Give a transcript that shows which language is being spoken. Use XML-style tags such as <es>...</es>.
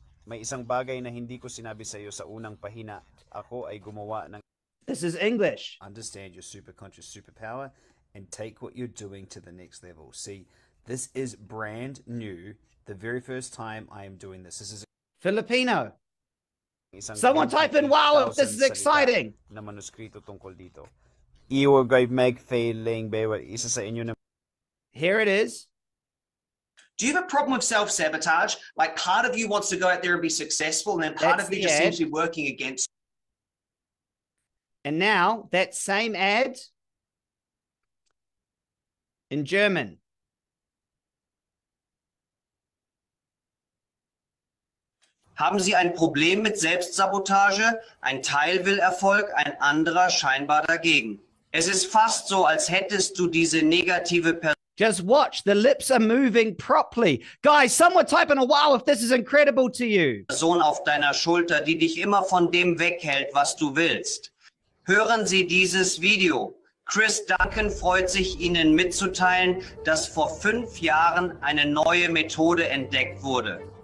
<tl>May isang bagay na hindi ko sinabi sa iyo sa unang pahina. Ako ay gumawa ng...</tl> <en>This is English. Understand your super conscious superpower and take what you're doing to the next level. See, this is brand new. The very first time I am doing this. This is Filipino. Someone type in wow, this is exciting.</en> <tl>Na manuskrito tungkol dito. Iwag kayo mag-failing, bawa isa sa inyo na.</tl> <en>Here it is. Do you have a problem with self-sabotage? Like part of you wants to go out there and be successful, and then part of you just seems to be working against. And now that same ad in German.</en> <de>Haben Sie ein Problem mit Selbstsabotage? Ein Teil will Erfolg, ein anderer scheinbar dagegen. Es ist fast so, als hättest du diese negative Person.</de> <en>Just watch, the lips are moving properly. Guys, someone type in a wow if this is incredible to you.</en> <de>Person auf deiner Schulter, die dich immer von dem weghält, was du willst. Hören Sie dieses Video. Chris Duncan freut sich, Ihnen mitzuteilen, dass vor 5 Jahren eine neue Methode entdeckt wurde.</de>